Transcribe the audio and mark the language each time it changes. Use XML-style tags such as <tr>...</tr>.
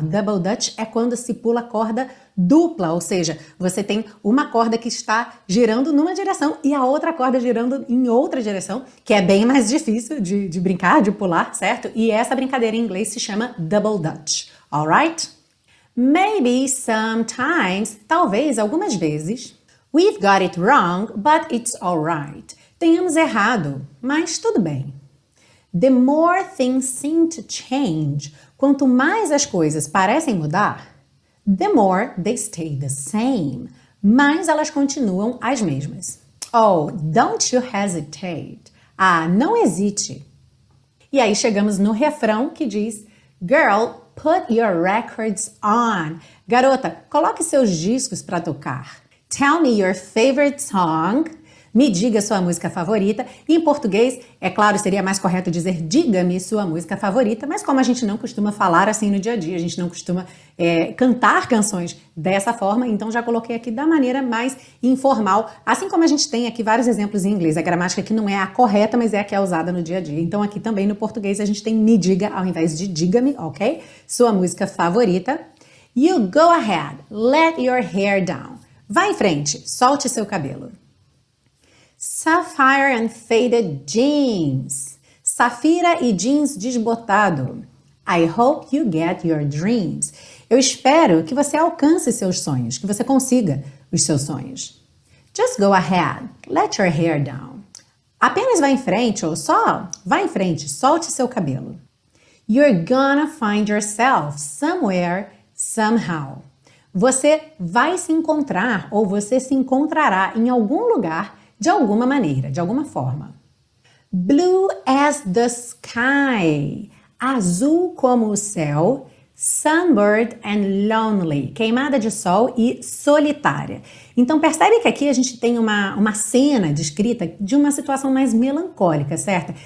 <pt>Double dutch é quando se pula corda dupla, ou seja, você tem uma corda que está girando numa direção e a outra corda girando em outra direção, que é bem mais difícil de brincar, de pular, certo? E essa brincadeira em inglês se chama double dutch, alright?</pt> <en>Maybe sometimes,</en> <pt>talvez algumas vezes,</pt> <en>we've got it wrong, but it's alright.</en> <pt>Tenhamos errado, mas tudo bem.</pt> <en>The more things seem to change,</en> <pt>quanto mais as coisas parecem mudar,</pt> <en>the more they stay the same,</en> <pt>mais elas continuam as mesmas.</pt> <en>Oh, don't you hesitate.</en> <pt>Ah, não hesite. E aí chegamos no refrão que diz,</pt> <en>girl, put your records on.</en> <pt>Garota, coloque seus discos para tocar.</pt> <en>Tell me your favorite song.</en> <pt>Me diga sua música favorita. Em português, é claro, seria mais correto dizer diga-me sua música favorita, mas como a gente não costuma falar assim no dia a dia, a gente não costuma cantar canções dessa forma, então já coloquei aqui da maneira mais informal, assim como a gente tem aqui vários exemplos em inglês. A gramática aqui não é a correta, mas é a que é usada no dia a dia. Então aqui também no português a gente tem me diga ao invés de diga-me, ok? Sua música favorita.</pt> <en>You go ahead, let your hair down.</en> <pt>Vá em frente, solte seu cabelo.</pt> <en>Sapphire and faded jeans.</en> <pt>Safira e jeans desbotado.</pt> <en>I hope you get your dreams.</en> <pt>Eu espero que você alcance seus sonhos, que você consiga os seus sonhos.</pt> <en>Just go ahead. Let your hair down.</en> <pt>Apenas vá em frente ou só vá em frente, solte seu cabelo.</pt> <en>You're gonna find yourself somewhere, somehow.</en> <pt>Você vai se encontrar ou você se encontrará em algum lugar De alguma maneira, de alguma forma.</pt> <en>Blue as the sky.</en> <pt>Azul como o céu.</pt> <en>Sunburned and lonely.</en> <pt>Queimada de sol e solitária. Então, percebe que aqui a gente tem uma cena descrita de uma situação mais melancólica, certo?</pt>